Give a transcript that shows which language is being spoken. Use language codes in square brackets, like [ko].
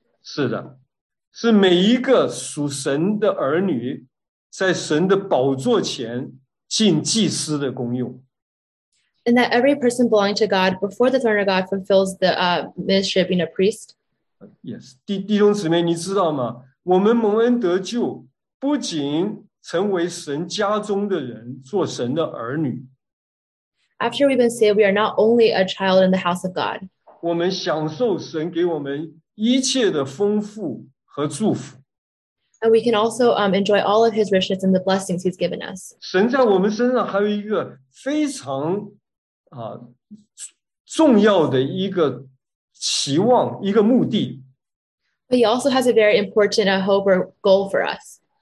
[zh] 是的，是每一个属神的儿女在神的宝座前进祭司的功用。 [en] And that every person belonging to God before the throne of God fulfills the ministry of being a priest. Yes. [zh] 弟兄姊妹, 你知道吗? 我们蒙恩得救, 不仅成为神家中的人, 做神的儿女, [en] After we've been saved, we are not only a child in the house of God. [zh] 我们享受神给我们一切的丰富和祝福。 [en] And we can also enjoy all of his richness and the blessings he's given us. [zh] 神在我们身上还有一个非常 重要的一个期望,一个目的。 [en] But he also has a very important hope or goal for us.